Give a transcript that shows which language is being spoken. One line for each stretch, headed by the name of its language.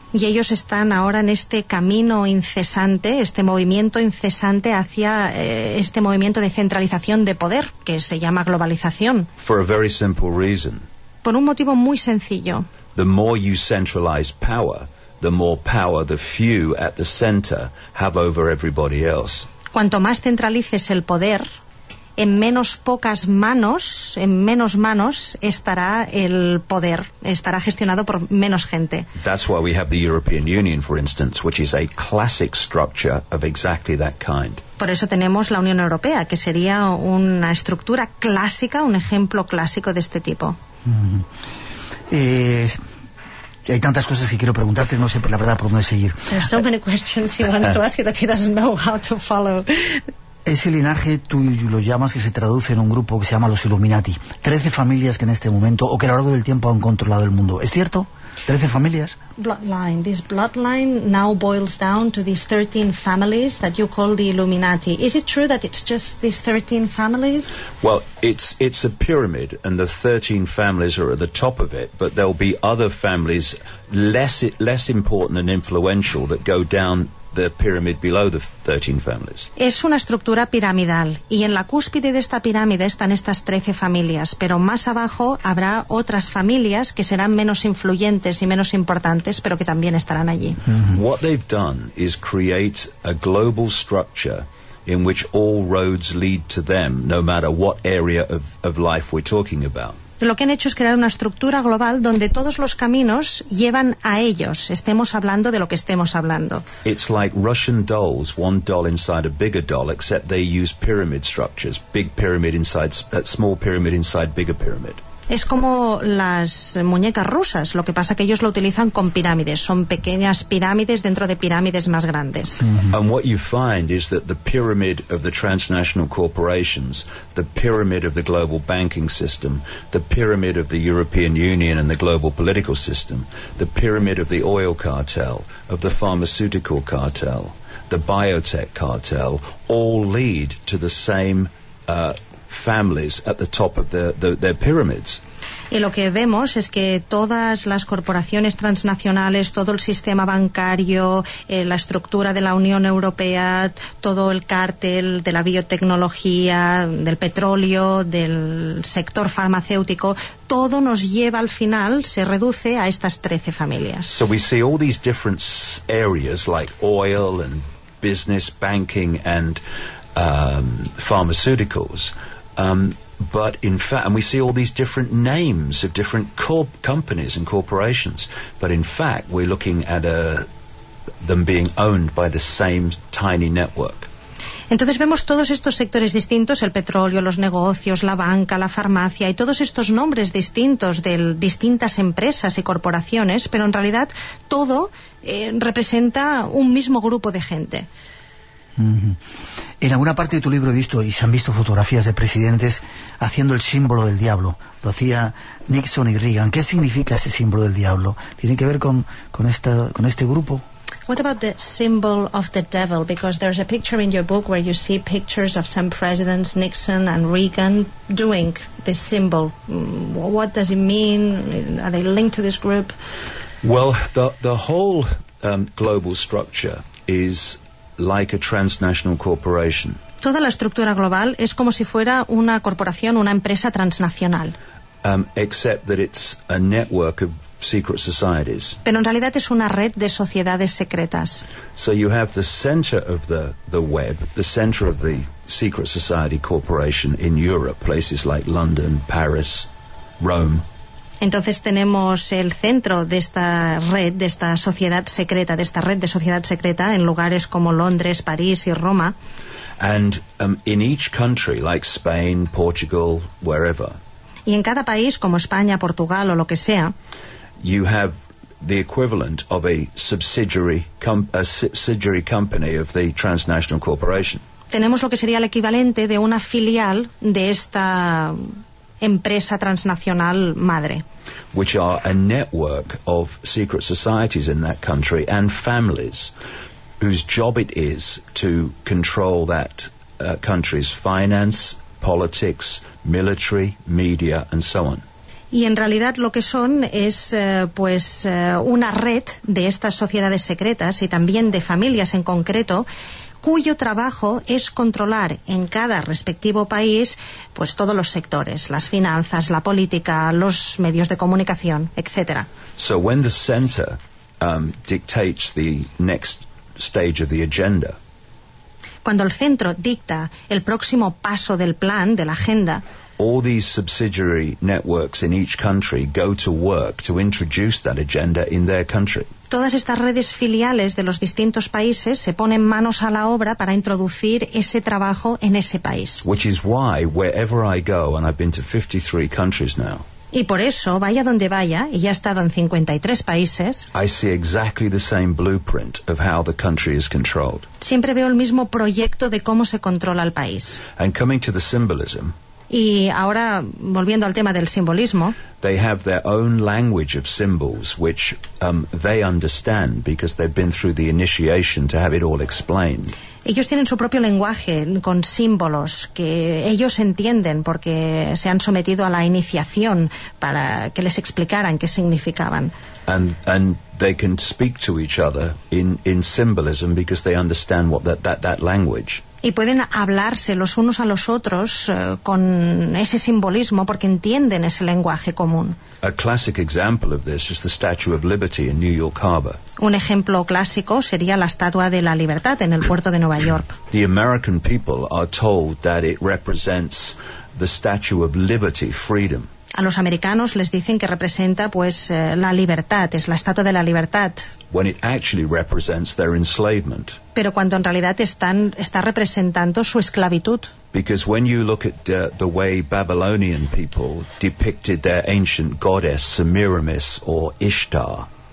Spanish: Y ellos están ahora en este camino incesante, este movimiento incesante hacia este movimiento de centralización de poder que se llama globalización.
English: For a very simple reason.
Spanish: Por un motivo muy sencillo.
English: The more you centralize power, the more power the few at the center have over everybody else.
Spanish: Cuanto más centralices el poder, en menos pocas manos, en menos manos estará el poder, estará gestionado por menos gente.
English: That's why we have the European Union, for instance, which is a classic structure of exactly that kind.
Spanish: Por eso tenemos la Unión Europea, que sería una estructura clásica, un ejemplo clásico de este tipo. Hay tantas cosas que quiero preguntarte, no sé, la verdad, por dónde seguir.
English: There's so many questions he wants to ask you that he doesn't know how to follow.
Spanish: Ese linaje, tú lo llamas, que se traduce en un grupo que se llama los Illuminati. 13 familias que en este momento, o que a lo largo del tiempo han controlado el mundo. ¿Es cierto? 13 familias.
English: Bloodline. This bloodline now boils down to these 13 families that you call the Illuminati. Is it true that it's just these 13 families? Well, it's a pyramid, and the 13 families are at the top of it, but there'll be other families less important and influential that go down the pyramid below the 13 families.
Spanish: Es una estructura piramidal, y en la cúspide de esta pirámide están estas 13 familias, pero más abajo habrá otras familias que serán menos influyentes y menos importantes, pero que también estarán allí.
English: What they've done is create a global structure in which all roads lead to them, no matter what area of life we're talking about.
Spanish: Lo que han hecho es crear una estructura global donde todos los caminos llevan a ellos, estemos hablando de lo que estemos hablando.
English: It's like Russian dolls, one doll inside a bigger doll, except they use pyramid structures, big pyramid inside a small pyramid inside bigger pyramid.
Spanish: Es como las muñecas rusas, lo que pasa que ellos lo utilizan con pirámides, son pequeñas pirámides dentro de pirámides más grandes.
English: And what you find is that the pyramid of the transnational corporations, the pyramid of the global banking system, the pyramid of the European Union and the global political system, the pyramid of the oil cartel, of the pharmaceutical cartel, the biotech cartel, all lead to the same families at the top of their pyramids.
Spanish: Y lo que vemos es que todas las corporaciones transnacionales, todo el sistema bancario, la estructura de la Unión Europea, todo el cártel de la biotecnología, del petróleo, del sector farmacéutico, todo nos lleva al final, se reduce a estas 13 familias.
English: So we see all these different areas like oil and business, banking and pharmaceuticals. But in fact, and we see all these different names of different companies and corporations, but in fact we're looking at them being owned by the same tiny network.
Spanish: Entonces vemos todos estos sectores distintos, el petróleo, los negocios, la banca, la farmacia, y todos estos nombres distintos de distintas empresas y corporaciones, pero en realidad todo representa un mismo grupo de gente. En alguna parte de tu libro he visto y se han visto fotografías de presidentes haciendo el símbolo del diablo. Lo hacía Nixon y Reagan. ¿Qué significa ese símbolo del diablo? ¿Tiene que ver con este grupo?
English: What about the symbol of the devil? Because there's a picture in your book where you see pictures of some presidents, Nixon and Reagan, doing this symbol. What does it mean? Are they linked to this group? Well, the whole global structure is like a transnational corporation.
Spanish: Toda la estructura global es como si fuera una corporación, una empresa transnacional.
English: Except that it's a network of secret societies.
Spanish: Pero en realidad es una red de sociedades secretas.
English: So you have the center of the web, the center of the secret society corporation in Europe, places like London, Paris, Rome.
Spanish: Entonces tenemos el centro de esta red, de esta sociedad secreta, de esta red de sociedad secreta en lugares como Londres, París y Roma.
English: And in each country, like Spain, Portugal, wherever.
Spanish: Y en cada país, como España, Portugal o lo que sea,
English: you have the equivalent of a subsidiary company of the transnational corporation.
Spanish: Tenemos lo que sería el equivalente de una filial de esta empresa transnacional madre.
English: Which are a network of secret societies in that country and families whose job it is to control that country's finance, politics, military, media and so on.
Spanish: Y en realidad lo que son es una red de estas sociedades secretas y también de familias en concreto, cuyo trabajo es controlar en cada respectivo país pues todos los sectores, las finanzas, la política, los medios de comunicación, etcétera.
English: So when the center dictates the next stage of the agenda.
Spanish: Cuando el centro dicta el próximo paso del plan, de la agenda.
English: All these subsidiary networks in each country go to work to introduce that agenda in their country.
Spanish: Todas estas redes filiales de los distintos países se ponen manos a la obra para introducir ese trabajo en ese país.
English: Which is why, wherever I go, and I've been to 53 countries now,
Spanish: y por eso, vaya donde vaya, y ya he estado en 53 países,
English: I see exactly the same blueprint of how the country is controlled.
Spanish: Siempre veo el mismo proyecto de cómo se controla el país.
English: And coming to the symbolism,
Spanish: y ahora, volviendo al tema del simbolismo,
English: they have their own language of symbols, which they understand because they've been through the initiation to have it all explained.
Spanish: Ellos tienen su propio lenguaje con símbolos que ellos entienden porque se han sometido a la iniciación para que les explicaran qué significaban.
English: And they can speak to each other in symbolism because they understand what that language.
Spanish: Y pueden hablarse los unos a los otros con ese simbolismo porque entienden ese lenguaje común.
English: A classic example of this is the Statue of Liberty in New York Harbor.
Spanish: Un ejemplo clásico sería la Estatua de la Libertad en el puerto de Nueva York.
English: The American people are told that it represents the Statue of Liberty, freedom.
Spanish: A los americanos les dicen que representa pues la libertad, es la Estatua de la Libertad.
English: When it actually represents their enslavement.
Spanish: Pero cuando en realidad está representando su esclavitud.
English: Because when you look at the way Babylonian people depicted their ancient goddess Semiramis or Ishtar.